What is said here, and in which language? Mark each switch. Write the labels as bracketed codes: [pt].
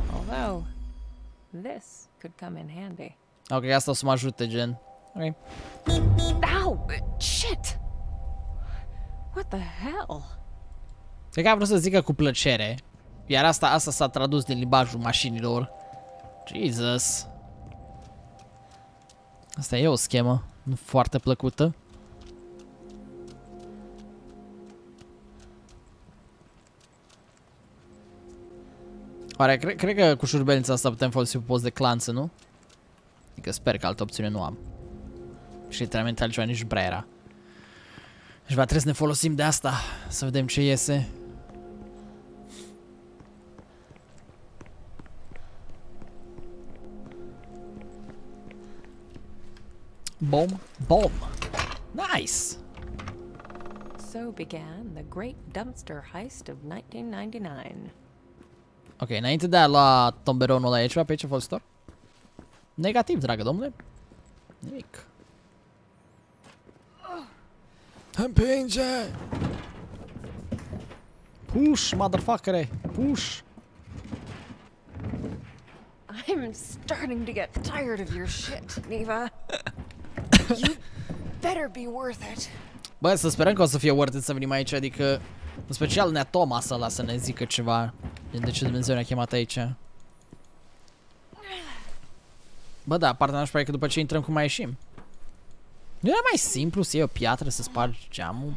[en] Although this could come in handy. [ro] Okay, asta o să mă ajute, gen. Okay. [en] Ow, shit. What the hell? [ro] Cred că a vrut să zică cu plăcere. Iar asta s-a tradus din limbajul mașinilor. Jesus. Asta e o schemă, nu foarte plăcută. Oare, cred că cu șurbelința asta putem folosi pe post de clanță, nu? Adică sper că altă opțiune nu am. Și literalmente altceva nici prea era. Deci va trebui să ne folosim de asta, să vedem ce iese. Bom, bom. Nice. [en] So began the great dumpster heist of 1999. [ro] Ok, înainte de a lua tomberonul ăla, e ceva pe aici folositor? Negativ, dragă domnule. Nimic. Împinge! [en] Push, motherfucker! Push! I'm starting to get tired of your shit, Neva. You better be worth it. [ro] Bă, să sperăm că o să fie worth it să venim aici, adică... În special nea Thomas ăla să ne zică ceva. De ce Dumnezeu ne-a chemat aici? Bă, da, partea nașpa e că după ce intrăm, cum mai ieșim? Nu era mai simplu să iei o piatră să spargi geamul?